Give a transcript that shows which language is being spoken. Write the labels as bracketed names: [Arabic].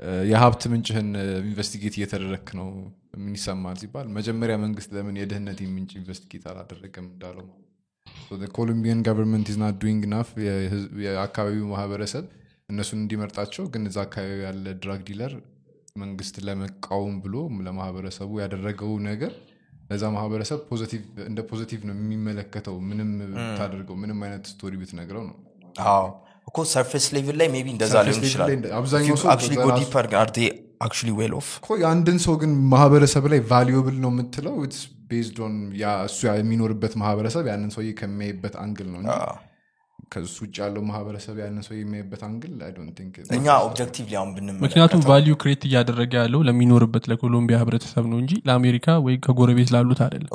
[Amharic] የሀብት ምንጭህን ኢንቨስቲጌት እየተደረክ ነው ምን ይሰማል ሲባል መጀመሪያ መንግስት ለምን የደህነት ምንጭ ኢንቨስቲጌት አላደረገም እንዳለው ማለት ነው [English] ኮሎምቢያን ጋቨርንመንት ኢዝ ኖት ዱዊንግ ኢናፍ [Amharic] የአካባቢው ማህበረሰብ እነሱን እንዲመርጣቸው ግን እዛ አካባቢ ያለ ድራግ ዲለር መንግስት ለመቃወም ብሎ ለማህበረሰቡ ያደረገው ነገር ለዛ ማህበረሰብ ፖዚቲቭ እንደ ፖዚቲቭ ነው የሚመለከተው ምንም ታደርገው ምንም አይነት ስቶሪ ቤት ነግረው ነው አዎ እኮ [English] surface level [Amharic] ላይ maybe እንደዛ ሊሆን ይችላል አብዛኛው ሰው [English] actually go deeper are they actually well off [Amharic] እኮ ያንድን ሰው ግን ማህበረሰብ ላይ valuable ነው የምትለው [English] it's based on [Amharic] ያ እሱ የሚኖርበት ማህበረሰብ ያንን ሰው ከሚያይበት አንግል ነው እንጂ ከሱ ውጭ ያለው ማህበረሰብ ያንን ሰው የሚያይበት አንግል [English] I don't think [Amharic] እኛ objectively አሁን ብንም ምክንያቱም value create ያደረገ ያለው ለሚኖርበት ለኮሎምቢያ ህብረተሰብ ነው እንጂ ለአሜሪካ ወይ ከጎረቤት ላሉት አይደለም